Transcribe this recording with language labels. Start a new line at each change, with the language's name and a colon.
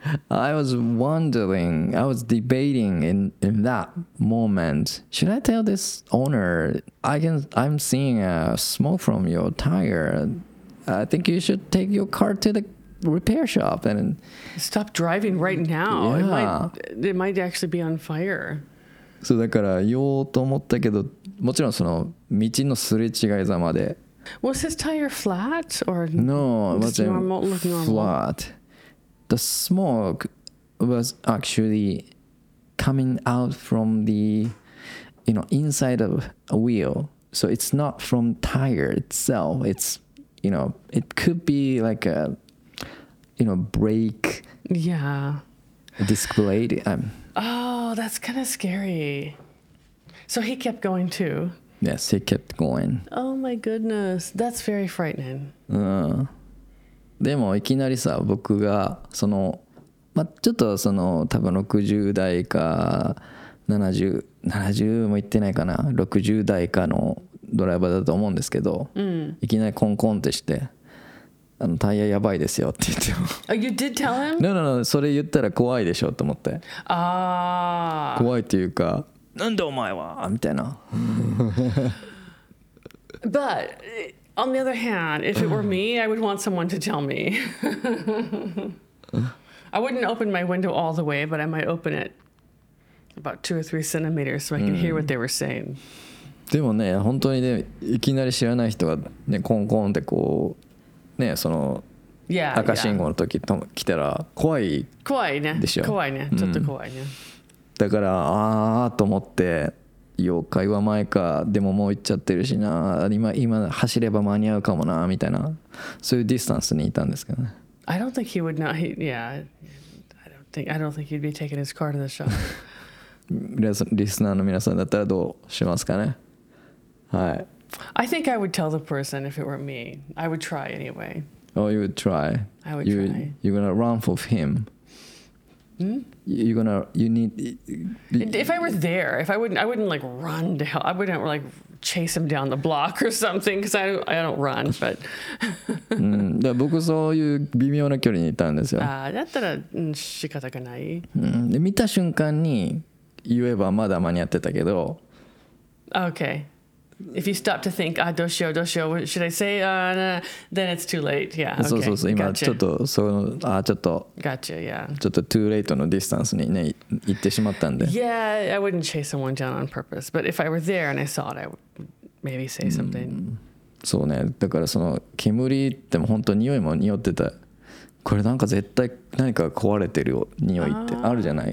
English: I was wondering, I was debating in that moment. Should I tell this owner, I'm seeing a smoke from your tire. I think you should take your car to the repair shop and... Stop driving right now. Yeah. It might actually be on fire. So,
Japanese: だから言おうと思ったけど、もちろんその道のすれ違いざまで。
English: Was his tire flat or... No, it wasn't flat. The smoke was actually coming out from the, you know, inside of a wheel. So it's not from tire itself. It's, you know, it could be like a, you know, brake. Yeah. Display. Oh, that's kind of scary. So he kept going too. Yes, he kept going. Oh my goodness. That's very frightening.
Japanese: でもいきなりさ、僕がそのまあちょっとその多分60代か70も言ってないかな、60代かのドライバーだと思うんですけど、いきなりコンコンってして、あのタイヤやばいですよって言っても、
English: oh, you did tell him? No, no, no,
Japanese: それ言ったら怖いでしょと思って、怖いっていうか、なんでお前はみたいな。
English: But on the other hand, if it were me, I would want someone to tell me. I wouldn't open my window all the way, but I might open it about 2 or 3 centimeters so I can hear what they were saying.
Japanese: でもね、本当にね、いきなり知らない人がね、コンコンってこうね、その赤信号の時と来たら怖いでしょ。怖いね。ちょっと怖いね。だからああと思って。妖怪は前か、でももう行っちゃってるしな、今走れば間に合うかもなみたいな、そういうディスタンスにいたんですけどね。
English: I don't think he would not. He, yeah, I don't think he'd be taking his car to the shop.
Japanese: リスナーの皆さんだったらどうしますかね。はい。
English: I think I would tell the person if it were me. I would try anyway. Oh, you would try. I would try. You're gonna run for him. If I were there, I wouldn't like run to hell. I wouldn't like chase him down the block or something because I don't run. But.
Japanese: で僕そういう微妙な距離にいたんですよ。だったら仕方がない。で見た瞬間に言えばまだ間に合ってたけど。
English: Okay. If you stop to think, ah,
Japanese: どうしよう、
English: should I say, then it's too late. Yeah. Okay.
Japanese: そうそうそう。今ちょっとそのちょっと。
English: Gotcha. Yeah.
Japanese: ちょっと
English: too late
Japanese: のディスタンスにね行ってしまったんで。
English: Yeah, I wouldn't chase someone down on purpose, but if I were there and I saw it, I would maybe say something.
Japanese: そうね。だからその煙っても本当に匂いも匂ってた。これなんか絶対何か壊れてる匂いってあるじゃない。